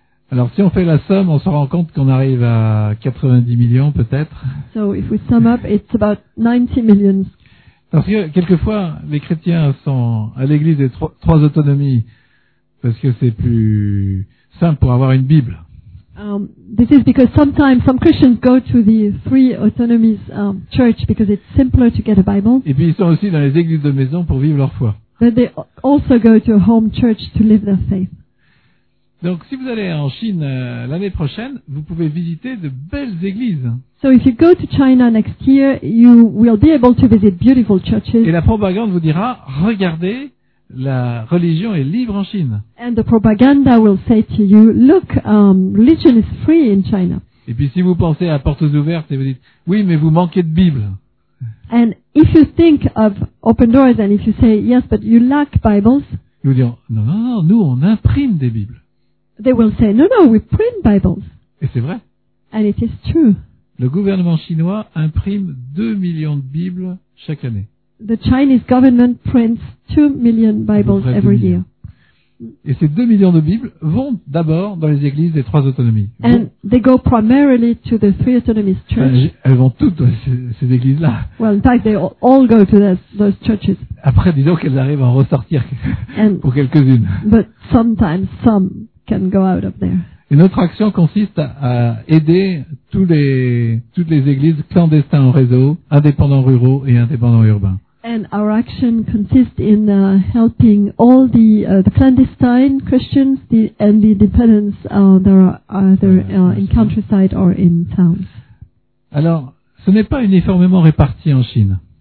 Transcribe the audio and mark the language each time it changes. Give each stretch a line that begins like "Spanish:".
French: Alors si on fait la somme, on se rend compte qu'on arrive à 90 millions peut-être.
English: So if we sum up, it's about 90 million.
French: Parce que quelquefois, les chrétiens sont à l'église des trois autonomies parce que c'est plus simple pour avoir une Bible.
English: This is because sometimes some Christians go to the three autonomies church because it's simpler to get a Bible.
French: Et puis ils sont aussi dans les églises de maison pour vivre leur foi.
English: But they also go to a home church to live their faith.
French: Donc si vous allez en Chine l'année prochaine, vous pouvez visiter de belles églises.
English: So if you go to China next year, you will be able to visit beautiful churches.
French: Et la propagande vous dira, regardez, la religion est libre en Chine.
English: And the propaganda will say to you, look, religion is free in China.
French: Et puis si vous pensez à portes ouvertes et vous dites, oui, mais vous manquez de Bible.
English: And if you think of open doors and if you say, yes, but you lack Bibles.
French: Ils vous diront, non, nous on imprime des Bibles.
English: They will say, no, we print Bibles.
French: Et c'est vrai.
English: And it is true.
French: Le gouvernement chinois imprime 2 millions de Bibles chaque année.
English: The Chinese government prints 2 million Bibles every year.
French: Et ces 2 millions de Bibles vont d'abord dans les églises des trois autonomies.
English: And they go primarily to the three autonomous churches.
French: Elles vont toutes dans ces églises-là.
English: Well, in fact, they all go to those churches.
French: Après, disons qu'elles arrivent à en ressortir pour quelques-unes.
English: But sometimes some can go out of there.
French: Et notre action consiste à aider toutes les églises clandestines en réseau, indépendants ruraux et indépendants urbains.
English: And our action consists in helping all the clandestine Christians and the independents that are either in countryside or in towns.
French: Alors, ce n'est pas uniformément réparti en Chine.